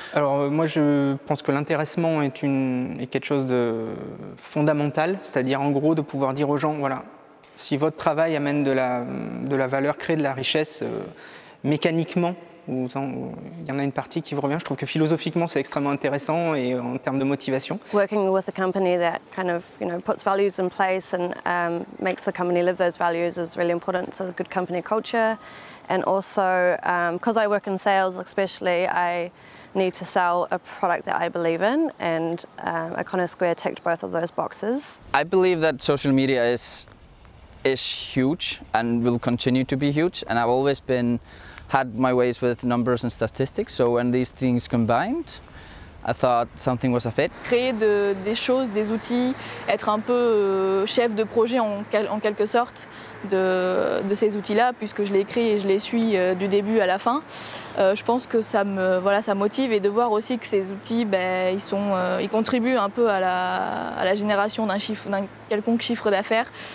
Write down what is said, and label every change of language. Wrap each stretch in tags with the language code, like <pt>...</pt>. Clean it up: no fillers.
<fr>Alors moi je pense que l'intéressement est quelque chose de fondamental, c'est-à-dire en gros de pouvoir dire aux gens, voilà, si votre travail amène de la valeur, crée de la richesse mécaniquement, il y en a une partie qui vous revient. Je trouve que philosophiquement, c'est extrêmement intéressant et en termes de motivation.</fr> <en>Working with a company that kind of, you know, puts values in place and makes the company live those values is really important to a good company culture. And also, because I work in sales, especially, I need to sell a product that I believe in. And Iconos Square ticked both of those boxes. I believe that social media is huge and will continue to be huge. And I've always been had my ways with numbers and statistics, so when these things combined, I thought something was a fit.</en> <fr>Créer des choses, des outils, être un peu chef de projet en quelque sorte de ces outils-là, puisque je les crée et je les suis du début à la fin. Je pense que ça motive, et de voir aussi que ces outils, ils contribuent un peu à la génération d'un quelconque chiffre d'affaires.</fr>